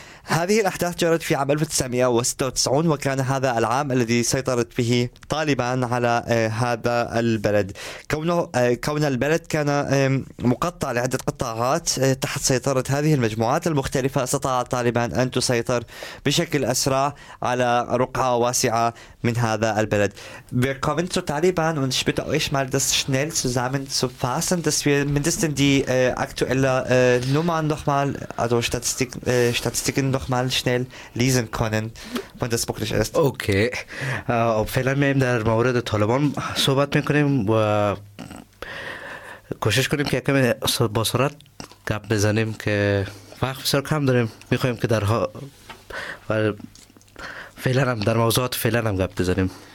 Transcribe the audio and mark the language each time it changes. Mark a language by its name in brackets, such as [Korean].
[Arabic] هذه الأحداث جرت في عام 1996 وكان هذا العام الذي سيطرت به طالبان على هذا البلد. كون البلد كان مقطع لعدة قطاعات تحت سيطرة هذه المجموعات المختلفة استطاع طالبان أن تسيطر بشكل أسرع على رقعة واسعة من هذا البلد. [German] Wir kommen zu Taliban und ich bitte euch mal das schnell zusammenzufassen, dass wir mindestens die aktuelle Nummern nochmal, also Statistiken nochmal schnell lesen können, wenn das möglich ist. Okay. [Persian] فعلا ما ام در مورد طالبان صحبت میکنیم و کوشش کنیم که یکمی با سرعت گپ بزنیم که وقت بسیار کم داریم میخواییم که در ها و فعلا هم در موضوعات فعلا هم گپ بزنیم.